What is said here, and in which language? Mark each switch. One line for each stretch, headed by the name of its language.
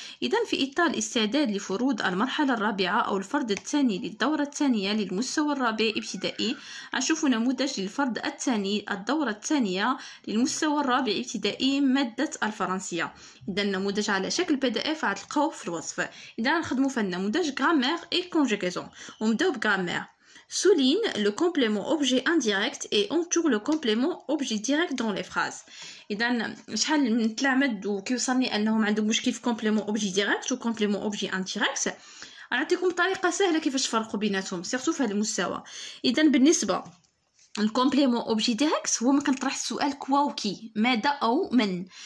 Arabic: إذا في إطار الاستعداد لفروض المرحلة الرابعة أو الفرد الثاني للدورة الثانية للمستوى الرابع ابتدائي، أشوف نموذج للفرد الثاني الدورة الثانية للمستوى الرابع ابتدائي مادة الفرنسية. إذا النموذج على شكل PDF غتلقاوه في الوصف. إذا نخدمو في النموذج غرامير اي كونجوغيزون، ونبداو بغرامير.
French: Souligne le complément objet indirect et entoure le complément objet direct dans les phrases.
Arabic: إذا شحال من تلامد وكيوصلني أنهم عندهم مشكل في complément objet direct و complément objet indirect، أعطيكم طريقة سهلة كيفاش تفرقوا بيناتهم سيرتو في هذا المستوى. إذا بالنسبة الكومبليمون اوبجي ديريكت هو ما كنطرح السؤال
French: كوا وكي،
Arabic: ماذا او من.